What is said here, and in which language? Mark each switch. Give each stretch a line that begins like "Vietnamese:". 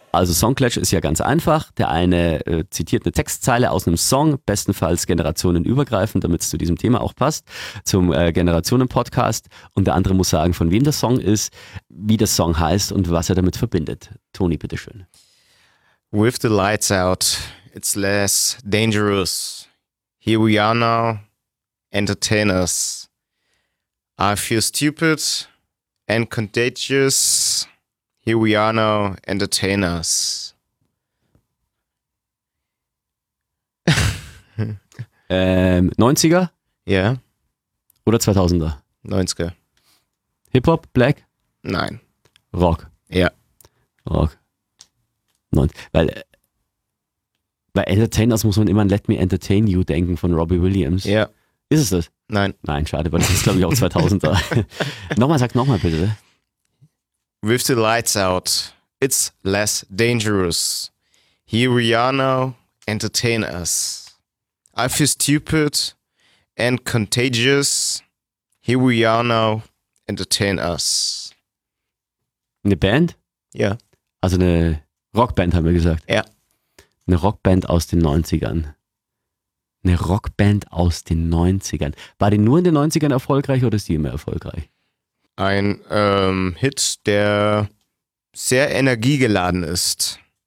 German: Also Song Clash ist ja ganz einfach. Der eine zitiert eine Textzeile aus einem Song, bestenfalls generationenübergreifend, damit es zu diesem Thema auch passt, zum Generationen-Podcast. Und der andere muss sagen, von wem der Song ist, wie der Song heißt und was er damit verbindet. Toni, bitteschön.
English: With the lights out, it's less dangerous. Here we are now, entertainers. I feel stupid and contagious. Here we are now, entertainers.
German: Neunziger? Ja. Yeah. Oder 2000er? 90er. Hip-Hop? Black? Nein. Rock? Ja. Yeah. Rock. Weil bei Entertainers muss man immer an Let Me Entertain You denken von Robbie Williams. Ja. Yeah. Ist es das? Nein. Nein, schade, weil das ist glaube ich auch 2000er. Nochmal bitte.
English: With the lights out, it's less dangerous. Here we are now, entertain us. I feel stupid and contagious. Here we are now, entertain us.
German: Eine Band? Ja. Also eine Rockband, haben wir gesagt. Ja. Eine Rockband aus den 90ern. Eine Rockband aus den 90ern. War die nur in den 90ern erfolgreich oder ist die immer erfolgreich? Ein Hit, der sehr energiegeladen ist.